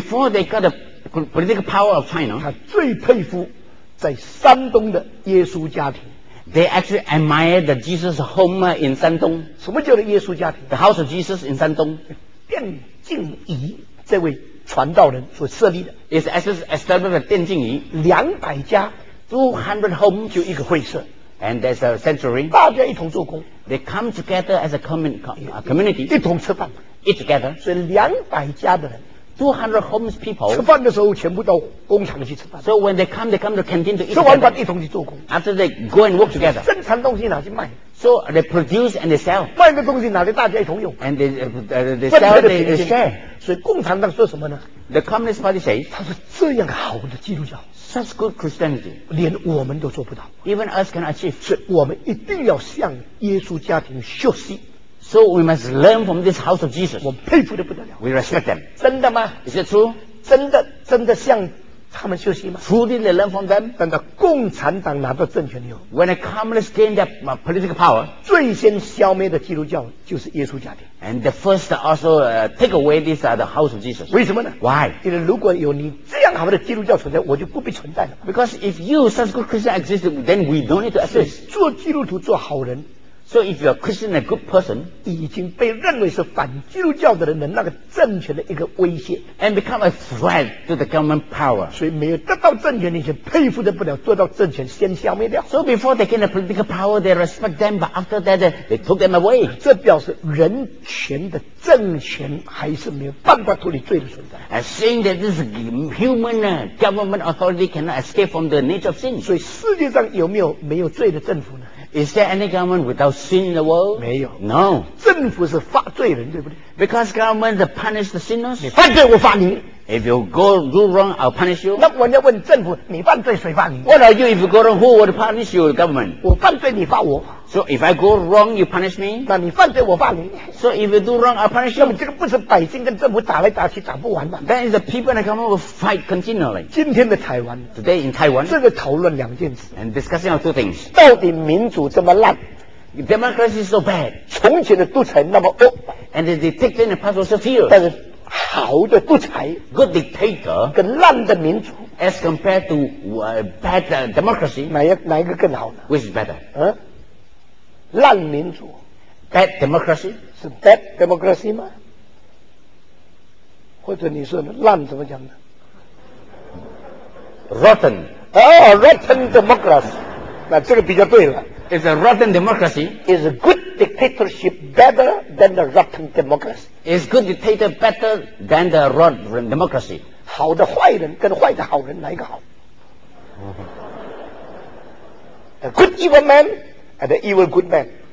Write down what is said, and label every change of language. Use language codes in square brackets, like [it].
[en] ，before they got the political power of China， [zh] 他最佩服在山东的耶稣家庭。 [en] They actually admired the Jesus home in 山东。 [zh] 什么叫做耶稣家庭 [en] ？The house of Jesus in 山东。 [zh] 电竞仪这位传道人所设立的 [en] ，is actually established 电竞仪 [zh] 200家 [en] ，200 home [zh] 就一个会社。 [en] And there's a century. [zh] 大家一同做工。 [en] They come together as a community. [zh] 一同吃饭。 [en] Eat together. [zh] 所以两百家的人。 [en] 200 homeless people. [zh] 吃饭的时候全部到工厂去吃饭。 [en] So when they come to canteen to eat. [zh] 吃完饭一同去做工。 [en] After they go and work together. [zh] 生产东西拿去卖。 [en] So they produce and they sell. [zh] 卖的东西拿去大家一同用。 [en] And they sell they share. [zh] 所以共产党说什么呢？ [en] The Communist Party says, [zh] 他说这样好的基督教 [en] such good Christianity, [zh] 连我们都做不到 [en] even us can achieve, [zh] 所以我们一定要向耶稣家庭学习 [en] so we must learn from this house of Jesus, [zh] 我们佩服得不得了 [en] we respect them, [zh] 真的吗 [en] is it true? [zh] 真的向他们学习吗 [en] truly they learn from them, [zh] 等到共产党拿到政权以后 [en] when the Communists gain their political power, [zh] 最先消灭的基督教就是耶稣家庭 [en] And the first also take away this the house of Jesus. [zh] 为什么呢 [en] Why? [zh] 因为如果有你这样好的基督教存在，我就不必存在了。 [en] Because if you such good Christian exist, then we don't need to exist. [zh] 做基督徒做好人。 [en] So if you're a Christian a good person, [zh] 已经被认为是反基督教的人的那个政权的一个威胁。 [en] And become a threat to the government power. [zh] 所以没有得到政权，你就佩服得不了；做到政权，先消灭掉。 [en] So before they gain the political power, they respect them, but after that, they took them away. [zh] 这表示人权的政权还是没有办法脱离罪的存在。 [en] And saying that this human government authority cannot escape from the nature of sin. [zh] 所以世界上有没有没有罪的政府呢？ [en] Is there any government without sin in the world? [zh] 没有 [en] No. [zh] 政府是罚罪人，对不对 [en] Because government punish the sinners. [zh] 你犯罪，我罚你。 [en] If you go do wrong, I'll punish you. [zh] 那我要问政府，你犯罪谁罚你 [en] ？What are you? If you go wrong, who would punish you? Government. [zh] 我犯罪，你罚我。 [en] So if I go wrong, you punish me. [zh] 那你犯罪，我罚你。 [en] So if you do wrong, I'll punish you. [zh] 那么这个不是百姓跟政府打来打去打不完的。 [en] That is the people and the government will fight continually. [zh] 今天的台湾 [en] ，Today in Taiwan， [zh] 这个讨论两件事。 [en] And discussing two things. [zh] 到底民主这么烂 [en] ？Democracy is so bad. [zh] 从前的独裁那么恶 [en] ，And the dictator in the past was so fierce. [zh] 但是好的独裁 [en] ，good dictator， [zh] 跟烂的民主 [en] ，as compared to bad democracy， [zh] 哪一个更好呢 [en] ？Which is better？ [zh] 烂民主 [en] ，bad democracy， [zh] 是 [en] bad democracy [zh] 吗？或者你说烂怎么讲呢 [en] ？Rotten， [zh] 哦 ， [en] rotten democracy， [zh] 那这个比较对了。 [en] Is a rotten democracy? Is a good dictatorship better than the rotten democracy? Is good dictator better than the rotten democracy? [zh] 好的坏人跟坏的好人哪一个好 ？ [en] A good evil man and an evil good man.